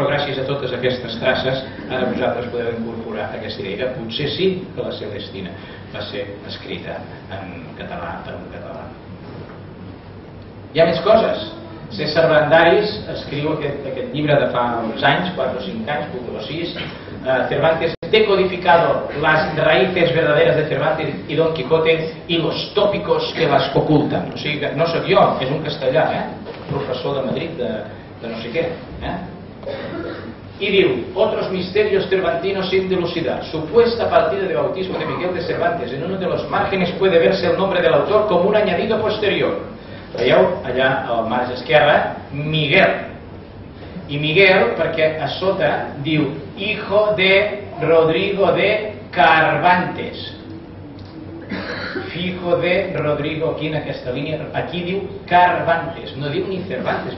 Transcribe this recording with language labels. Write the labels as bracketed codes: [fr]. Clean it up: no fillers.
[ca] Però gràcies a totes aquestes traces, ara vosaltres podeu incorporar aquesta idea que potser sí que la Celestina va ser escrita en català per un català. Hi ha més coses. César Brandaris escriu aquest llibre de fa uns anys, 4 o 5 anys, 4 o 6. [es] Cervantes té codificado las raíces verdaderas de Cervantes y Don Quijote y los tópicos que las ocultan. [ca] O sigui que no sóc jo, és un castellà, professor de Madrid, de no sé què. I diu, [es] otros misterios cervantinos sin dilucidar. Supuesta partida de bautismo de Miguel de Cervantes. En uno de los márgenes puede verse el nombre del autor como un añadido posterior. [ca] Veieu, allà al marge esquerre, Miguel. I Miguel, perquè a sota diu, [es] hijo de Rodrigo de Cervantes. Fijo de Rodrigo, [ca] aquí en aquesta línia, aquí diu Cervantes, no diu ni Cervantes.